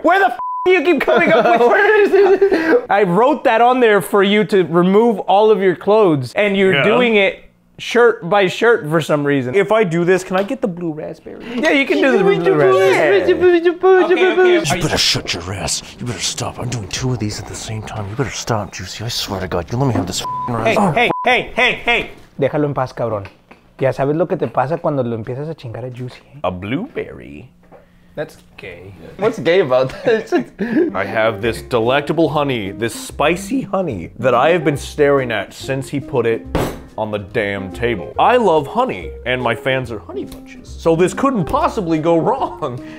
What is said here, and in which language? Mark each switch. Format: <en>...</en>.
<en>Where the f do you keep coming up with? Where is this? I wrote that on there for you to remove all of your clothes, and you're doing it shirt by shirt for some reason. If I do this, can I get the blue raspberry? Yeah, you can do the blue raspberry. You better shut your ass. You better stop. I'm doing two of these at the same time. You better stop, Juicy. I swear to God, you let me have this f***ing raspberry.</en> <es>Hey! Déjalo en paz, cabrón. Ya sabes lo que te pasa cuando lo empiezas a chingar a Juicy.</es> <en>A blueberry? That's gay. What's gay about this? I have this delectable honey, this spicy honey that I have been staring at since he put it on the damn table. I love honey, and my fans are honey bunches. So this couldn't possibly go wrong.</en>